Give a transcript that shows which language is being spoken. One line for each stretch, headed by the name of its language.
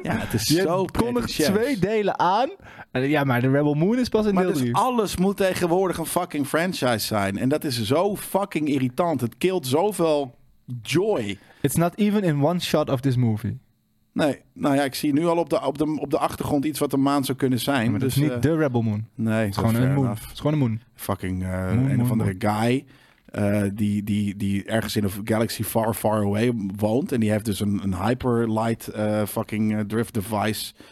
Dutch: Ja, het is zo pretentieus. Je kondigt twee delen aan. Ja, maar de Rebel Moon is pas in deel 3. Dus alles moet tegenwoordig een fucking franchise zijn. En dat is zo fucking irritant. Het kilt zoveel joy.
English: It's not even in one shot of this movie.
Dutch: Nee, nou ja, ik zie nu al op de achtergrond iets wat een maan zou kunnen zijn. Maar dus het is niet de Rebel Moon. Nee, het is gewoon een moon. Het is gewoon een moon. Fucking een of andere guy die ergens in een
English: galaxy far, far away
Dutch: woont. En die heeft dus een hyperlight fucking drift device.